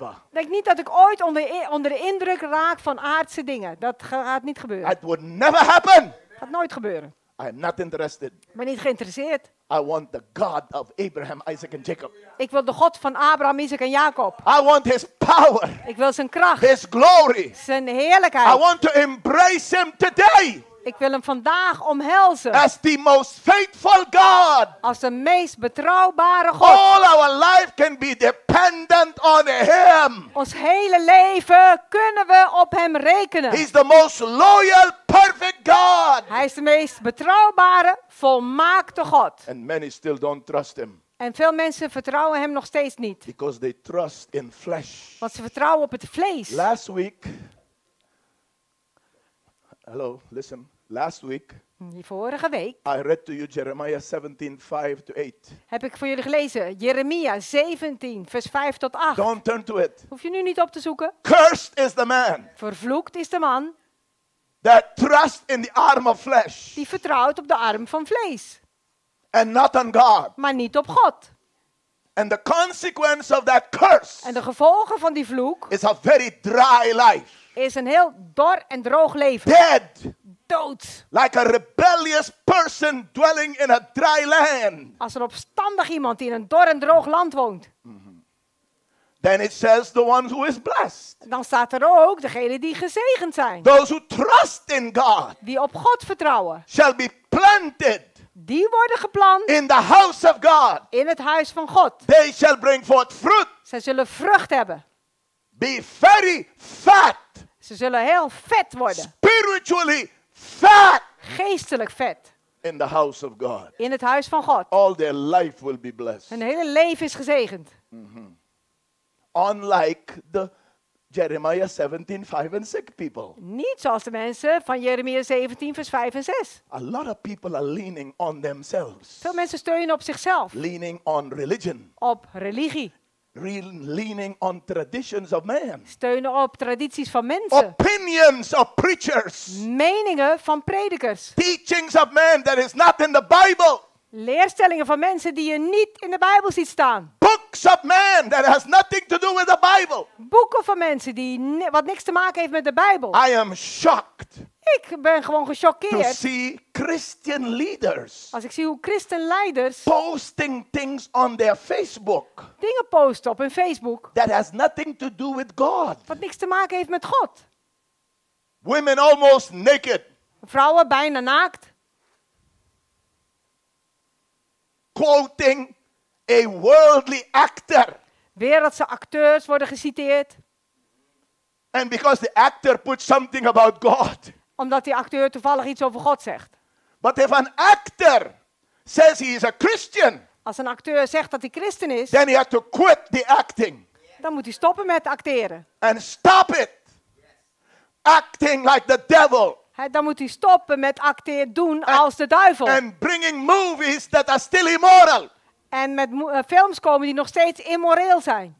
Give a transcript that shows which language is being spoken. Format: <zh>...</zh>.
<nl>Denk niet dat ik ooit onder de indruk raak van aardse dingen. Dat gaat niet gebeuren.</nl> <en>It would never happen.</en> <nl>Gaat nooit gebeuren.</nl> <en>I'm not interested.</en> <nl>Ik ben niet geïnteresseerd.</nl> <en>I want the God of Abraham, Isaac and Jacob.</en> <nl>Ik wil de God van Abraham, Isaac en Jacob.</nl> <en>I want his power.</en> <nl>Ik wil zijn kracht.</nl> <en>His glory.</en> <nl>Zijn heerlijkheid.</nl> <en>I want to embrace him today.</en> <nl>Ik wil hem vandaag omhelzen.</nl> <en>As the most faithful God.</en> <nl>Als de meest betrouwbare God.</nl> <en>All our life can be dependent on him.</en> <nl>Ons hele leven kunnen we op hem rekenen.</nl> <en>He's the most loyal, perfect God.</en> <nl>Hij is de meest betrouwbare, volmaakte God.</nl> <en>And many still don't trust him.</en> <nl>En veel mensen vertrouwen hem nog steeds niet.</nl> <en>Because they trust in flesh.</en> <nl>Want ze vertrouwen op het vlees.</nl> <en>Last week. Hello, listen. Last week.</en> <nl>Die vorige week.</nl> <en>I read to you Jeremiah 17, 5 to 8.</en> <nl>Heb ik voor jullie gelezen. Jeremia 17, vers 5 tot 8.</nl> <en>Don't turn to it.</en> <nl>Hoef je nu niet op te zoeken.</nl> <en>Cursed is the man.</en> <nl>Vervloekt is de man.</nl> <en>That trust in the arm of flesh.</en> <nl>Die vertrouwt op de arm van vlees.</nl> <en>And not on God.</en> <nl>Maar niet op God.</nl> <en>And the consequence of that curse.</en> <nl>En de gevolgen van die vloek.</nl> <en>Is a very dry life.</en> <nl>Is een heel dor en droog leven.</nl> <en>Dead.</en> <nl>Dood.</nl> <en>Like a rebellious person dwelling in a dry land.</en> <nl>Als een opstandig iemand die in een dor en droog land woont.</nl> <en>Then it says the one who is blessed.</en> <nl>Dan staat er ook degene die gezegend zijn.</nl> <en>Those who trust in God.</en> <nl>Die op God vertrouwen.</nl> <en>Shall be planted.</en> <nl>Die worden geplant.</nl> <en>In the house of God.</en> <nl>In het huis van God.</nl> <en>They shall bring forth fruit.</en> <nl>Ze zullen vrucht hebben.</nl> <en>Be very fat.</en> <nl>Ze zullen heel vet worden.</nl> <en>Spiritually fat.</en> <nl>Geestelijk vet.</nl> <en>In the house of God.</en> <nl>In het huis van God.</nl> <en>All their life will be blessed.</en> <nl>Hun hele leven is gezegend. Mm-hmm.</nl> <en>Unlike the Jeremiah 17, 5 and 6 people.</en> <nl>Niet zoals de mensen van Jeremia 17, vers 5 en 6.</nl> <en>A lot of people are leaning on themselves.</en> <nl>Veel mensen steunen op zichzelf.</nl> <en>Leaning on religion.</en> <nl>Op religie.</nl> <en>Leaning on traditions of man.</en> <nl>Steunen op tradities van mensen.</nl> <en>Opinions of preachers.</en> <nl>Meningen van predikers.</nl> <en>Teachings of man that is not in the Bible.</en> <nl>Leerstellingen van mensen die je niet in de Bijbel ziet staan.</nl> <en>Books of man that has nothing to do with the Bible.</en> <nl>Boeken van mensen die wat niks te maken heeft met de Bijbel.</nl> <en>I am shocked.</en> <nl>Ik ben gewoon gechoqueerd.</nl> <en>To see Christian leaders.</en> <nl>Als ik zie hoe Christen leiders</nl> <en>posting things on their Facebook.</en> <nl>Dingen posten op hun Facebook.</nl> <en>That has nothing to do with God.</en> <nl>Wat niks te maken heeft met God.</nl> <en>Women almost naked.</en> <nl>Vrouwen bijna naakt.</nl> <en>Quoting a worldly actor.</en> <nl>Wereldse acteurs worden geciteerd.</nl> <en>And because the actor put something about God.</en> <nl>Omdat die acteur toevallig iets over God zegt.</nl> <en>But if an actor says he is a Christian.</en> <nl>Als een acteur zegt dat hij christen is.</nl> <en>Then he has to quit the acting.</en> <nl>Dan moet hij stoppen met acteren.</nl> <en>And stop it. Acting like the devil.</en> <nl>Dan moet hij stoppen met acteren doen als de duivel.</nl> <en>And bringing movies that are still immoral.</en> <nl>En met films komen die nog steeds immoreel zijn.</nl>